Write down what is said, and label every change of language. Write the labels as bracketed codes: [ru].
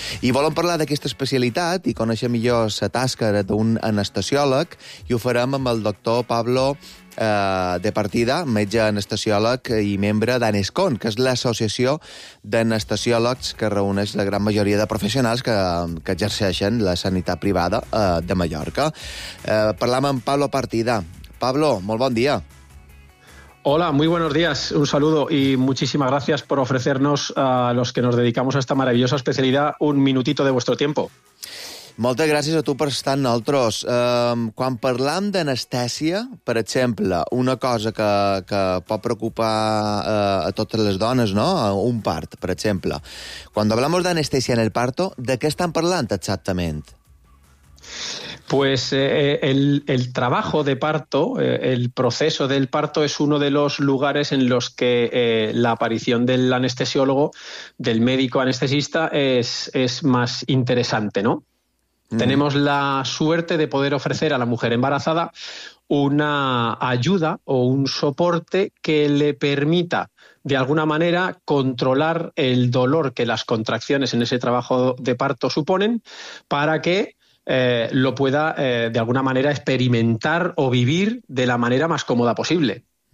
[ca] I volem parlar d'aquesta especialitat i conèixer millor la tasca d'un anestesiòleg, i ho farem amb el doctor Pablo de Partida, metge anestesiòleg i membre d'ANESCON, que és l'associació d'anestesiòlegs que reuneix la gran majoria de professionals que exerceixen la sanitat privada de Mallorca. Parlam amb Pablo Partida. Pablo, molt bon dia. [es] Hola, muy buenos días, un saludo y muchísimas gracias por ofrecernos a los que nos dedicamos a esta maravillosa especialidad un minutito de vuestro tiempo. [ca] Moltes gràcies a tu per estar amb nosaltres. Quan parlam d'anestèsia, per exemple, una cosa que pot preocupar a totes les dones, no? Un part, per exemple. Quan [es] hablamos [ca] d'anestèsia [es] en el parto, [ca] de què estan parlant exactament? [es] Pues el trabajo de parto, el proceso del parto es uno de los lugares en los que la aparición del anestesiólogo, del médico anestesista, es más interesante, ¿no? Tenemos la suerte de poder ofrecer a la mujer embarazada una ayuda o un soporte que le permita, de alguna manera, controlar el dolor que las contracciones en ese trabajo de parto suponen para que lo pueda, de alguna manera, experimentar o vivir de la manera más cómoda posible.